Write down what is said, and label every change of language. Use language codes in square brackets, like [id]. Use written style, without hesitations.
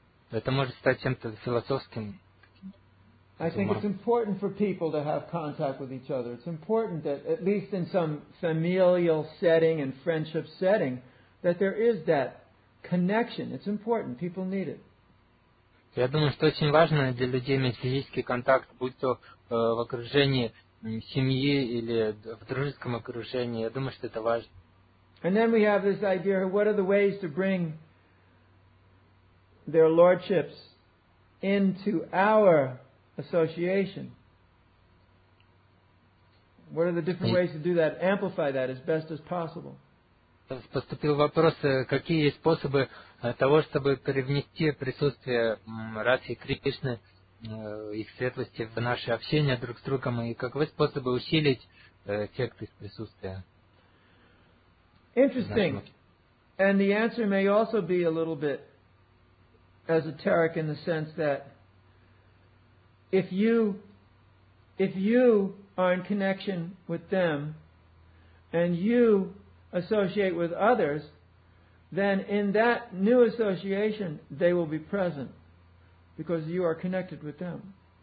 [ru] Это может стать чем-то философским. [en] I think it's important for people to have contact with each other. It's important that at least in some familial setting and friendship setting, that there is that connection. It's important. People need it. [ru] Я думаю, что очень важно для людей иметь физический контакт, будь то в окружении семьи или в дружеском окружении. Я думаю, что это важно. [en] And then we have this idea, what are the ways to bring their lordships into our association? What are the different ways to do that, amplify that as best as possible? [ru] Поступил вопрос, какие есть способы того, чтобы привнести присутствие Радхи Кришны, их светлости в наше общение друг с другом, и каковы способы усилить эффект их присутствия? [en] Interesting. And the answer may also be a little bit esoteric in the sense that if you are in connection with them and you associate with others, then in that new association they will be present because you are connected with them.